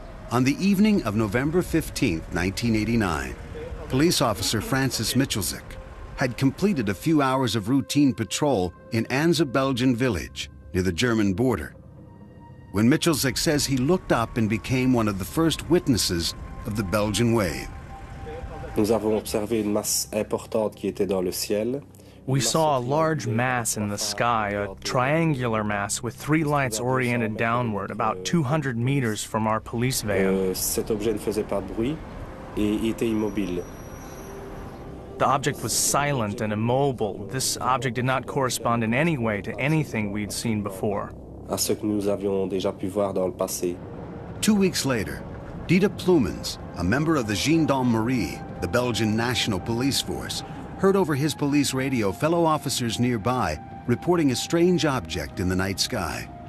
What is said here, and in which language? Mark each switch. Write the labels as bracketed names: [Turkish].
[English] On the evening of November 15, 1989, police officer Francis Michelczyk had completed a few hours of routine patrol in Anza Belgian village near the German border, when Michelczyk says he looked up and became one of the first witnesses of the Belgian wave. [French] Nous avons observé une masse importante qui était dans le ciel. [English] We saw a large mass in the sky, a triangular mass with three lights oriented downward, about 200 meters from our police van. [French] Cet objet ne faisait pas de bruit et était immobile. [English] The object was silent and immobile. This object did not correspond in any way to anything we'd seen before. [French] À ce que nous avions déjà pu voir dans le passé. [English] 2 weeks later, Dieter Ploumens, a member of the Gendarmerie, the Belgian National Police Force, heard over his police radio fellow officers nearby reporting a strange object in the night sky.